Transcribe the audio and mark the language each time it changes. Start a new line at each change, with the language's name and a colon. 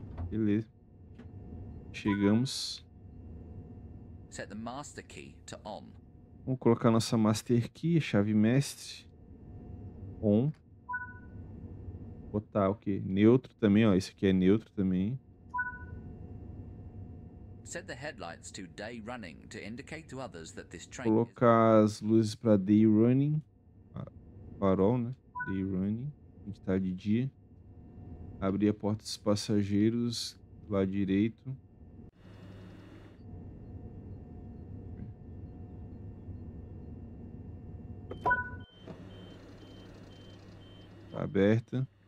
Portuguese: Beleza. Chegamos.
English: Set the master key to on.
Portuguese: Vamos colocar nossa master key, a chave mestre. On. Botar o quê? Neutro também, ó. Esse aqui é neutro também.
English: Set the headlights to day running to indicate to others that this train.
Portuguese: Colocar as luzes para day running. Farol, né? Day running. A gente tá de dia. Abrir a porta dos passageiros do lado direito. Tá aberta.